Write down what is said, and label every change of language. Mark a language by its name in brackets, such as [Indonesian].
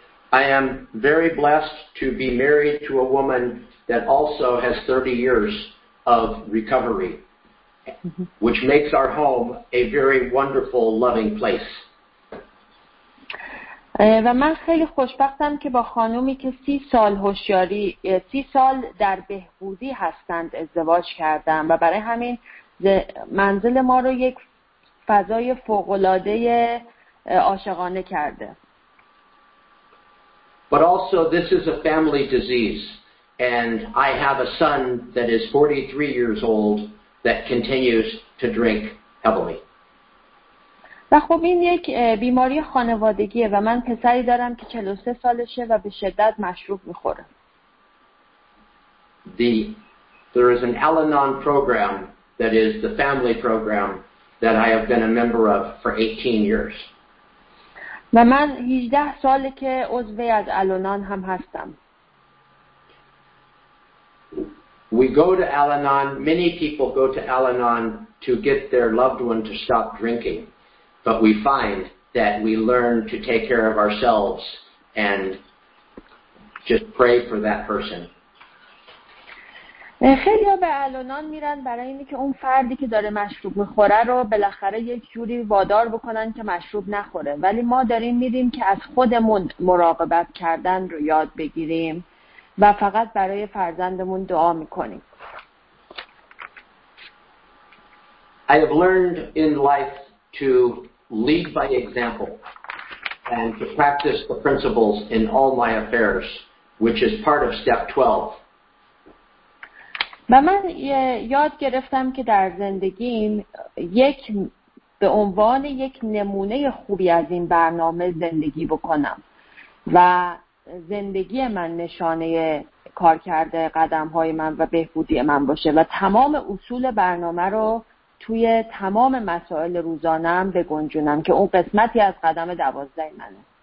[English] I am very blessed to be married to a woman that also has 30 years of recovery, which makes our home a very wonderful, loving place. [Persian] و من خیلی خوشبختم که با خانومی که 30 سال هوشیاری 30 سال در بهبودی هستند ازدواج کردم و برای همین منزل ما رو یک فضای فوق‌العاده عاشقانه کرده. [English] But also this is a family disease and I have a son that is 43 years old that continues to drink heavily. [Persian] و خب این یک بیماری خانوادگیه و من پسری دارم که 43 سالشه و به شدت مشروب میخوره. [English] There is an Al-Anon program that is the family program that I have been a member of for 18 years. [Persian] و من 18 ساله که عضو از Al-Anon هم هستم. [English] We go to Al-Anon, many people go to Al-Anon to get their loved one to stop drinking. But we find that we learn to take care of ourselves and just pray for that person. [Persian] خیلی ها به الانان میرن برای اینی که اون فردی که داره مشروب میخوره رو بالاخره یک جوری وادار بکنن که مشروب نخوره. ولی ما داریم میریم که از خودمون مراقبت کردن رو یاد بگیریم و فقط برای فرزندمون دعا میکنیم. [English] I have learned in life to lead by example and to practice the principles in all my affairs, which is part of step 12. [Persian] من یاد گرفتم که در زندگیم یک به عنوان یک نمونه خوبی از این برنامه زندگی بکنم و زندگی من نشانه کار کرده قدم های من و بهبودی من باشه و تمام اصول برنامه رو توی تمام مسائل روزانه‌ام بگنجونم که اون قسمتی از قدم 12 منه.